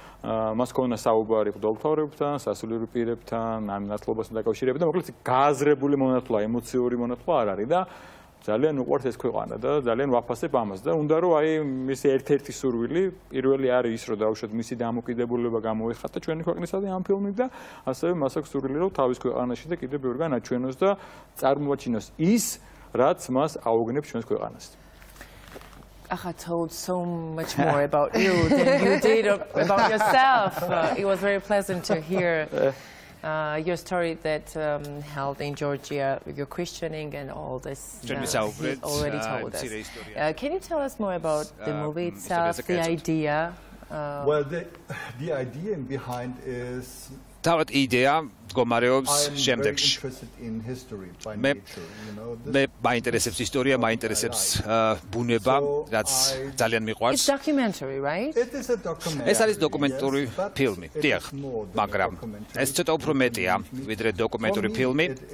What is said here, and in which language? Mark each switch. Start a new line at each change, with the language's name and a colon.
Georgian: მას ჰქონდა საუბარი ხდოლთავრებთან, სასულიერო პირებთან, ამ ნათლობასთან დაკავშირებით და მოკლედ გააზრებული მონათლა, ემოციური მონათლა არ არის და ძალიან უყვართ ეს ქვეყანა და ძალიან ვაფასებ ამას და უნდა რომ აი მისი ერთ-ერთი სურვილი პირველი არის ის რომ დაუშვათ მისი დამოკიდებულება გამოეხატა ჩვენი ქვეყნისა და ამ ფილმით და ასევე მას აქვს სურვილი რომ თავის ქვეყანაში და კიდევ ბევრი განაჩვენოს და წარმოაჩინოს ის რაც მას აუგნებს ჩვენს ქვეყანას.
English: Aha, told so much more about you than you did about yourself. It was very pleasant to hear your story that held in Georgia with your questioning and all this already told us. Can you tell us more about the movie itself, the idea? Well, the idea behind is...
Georgian: თავად იდეა მდგომარეობს შემდეგში. მე მაინტერესებს ისტორია, მაინტერესებს ბუნება, რაც ძალიან მიყვარს.
English: It's a documentary, right?
Georgian: ეს არის დოკუმენტური ფილმი, დიახ, მაგრამ ეს ცოტა უფრო მეტია, ვიდრე დოკუმენტური ფილმი.